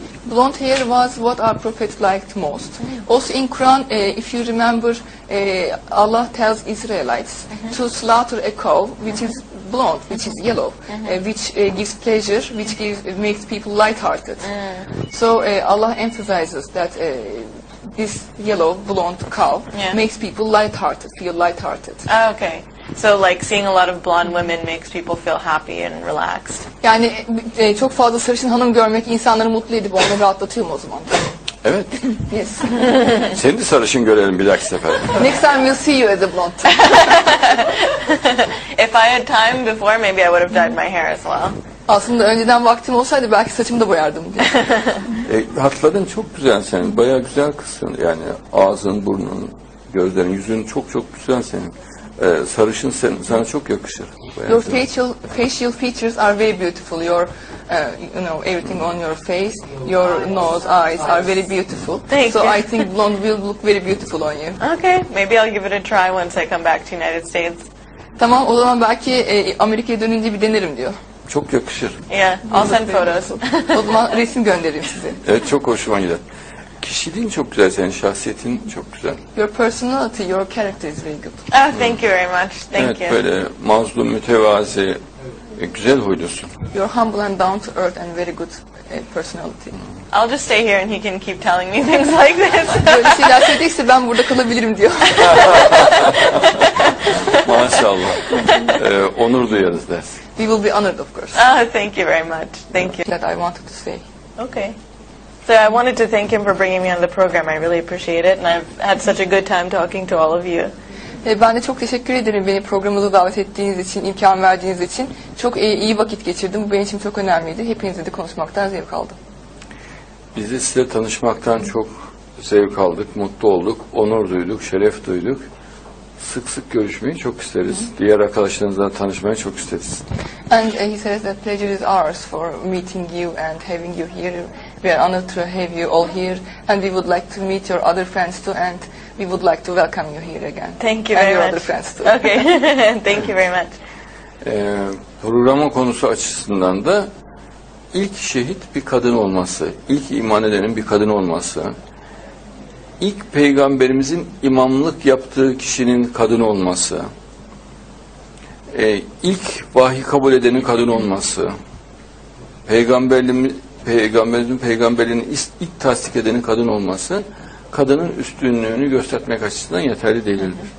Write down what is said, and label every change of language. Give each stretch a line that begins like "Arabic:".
English: Blonde hair was what our prophet liked most. Also in Quran, if you remember, Allah tells Israelites to slaughter a cow which is blonde, which is yellow, which gives pleasure, which makes people light-hearted. So Allah emphasizes that this yellow blonde cow makes people light-hearted, feel light-hearted. Oh, okay. So like seeing a lot of blonde women makes people feel happy and relaxed.
Turkish: Yani çok fazla sarışın hanım görmek insanları mutlu edip onları rahatlatıyor mu o zaman? Evet.
English: Yes.
Turkish: Seni de sarışın görelim bir dahaki sefer.
English: Next time we'll see you as a blonde. If I had time before, maybe I would have dyed my hair as well.
Turkish: Aslında önceden vaktim olsaydı belki saçımı da boyardım. Hatların çok güzel senin. Bayağı güzel kızsın. Yani ağzın, burnun, gözlerin, yüzün çok çok güzel senin. Sarışın sana çok yakışır.
English: Your facial features are very beautiful. Your you know everything on your face, your nose, eyes are very beautiful. Thank so you. I think blonde will look very beautiful on you. Okay, maybe I'll give it a try once I come back to United States.
Turkish: Tamam, o zaman belki Amerika'ya dönünce bir denerim diyor. Çok yakışır.
English: Yeah, I'll send photos.
Turkish: O zaman resim göndereyim size. Evet, çok hoşuma gider. Kişiliğin çok güzel, senin şahsiyetin çok güzel.
English: Your personality, your character is very good. Ah, thank you very much. Thank
Turkish: evet,
English: you.
Turkish: Evet, böyle mazlum, mütevazi, güzel huylusun.
English: You're humble and down to earth and very good personality. I'll just stay here and he can keep telling me things like this.
Turkish: Böyle şeyler söyledikse ben burada kalabilirim diyor. Maşallah. Onur duyarız ders.
English: We will be honored, of course. Ah, thank you very much. Thank you. That I wanted to say. Okay. So I wanted to thank him for bringing me on the program. I really appreciate it, and I've had such a good time talking to all of you.
Turkish: Ben de çok teşekkür ederim beni programınıza davet ettiğiniz için, imkan verdiğiniz için. Çok iyi vakit geçirdim. Bu benim için çok önemliydi. Hepinizle de konuşmaktan zevk aldım. Biz de size tanışmaktan çok zevk aldık, mutlu olduk, onur duyduk, şeref duyduk. Sık sık görüşmeyi çok isteriz. Diğer arkadaşlarınızla tanışmayı çok isteriz.
English: And he says that pleasure is ours for meeting you and having you here. We are honored to have you all here, and we would like to meet your other friends too, and we would like to welcome you here again. Thank you very much. And your other friends too. Okay. Thank you very much.
Turkish: Programın konusu açısından da ilk şehit bir kadın olması, ilk iman edenin bir kadın olması, ilk peygamberimizin imamlık yaptığı kişinin kadın olması, ilk vahyi kabul edenin kadın olması, peygamberliğinin ilk tasdik edenin kadın olması, kadının üstünlüğünü göstermek açısından yeterli değildir.